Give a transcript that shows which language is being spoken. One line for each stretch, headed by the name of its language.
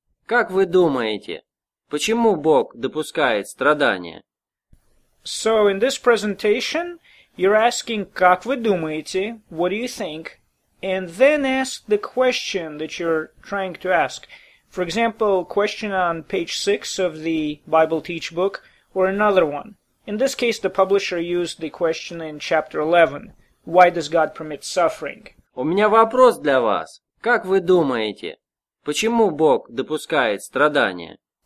Russian: Как вы думаете, почему Бог допускает страдания?
English: So, in this presentation, you're asking,
Russian: как вы думаете,
English: what do you think, and then ask the question that you're trying to ask. For example, question on page 6 of the Bible Teach book, or another one. In this case, the publisher used the question in chapter 11, why does God permit suffering?
Russian: У меня вопрос для вас. Как вы думаете, почему Бог допускает страдания?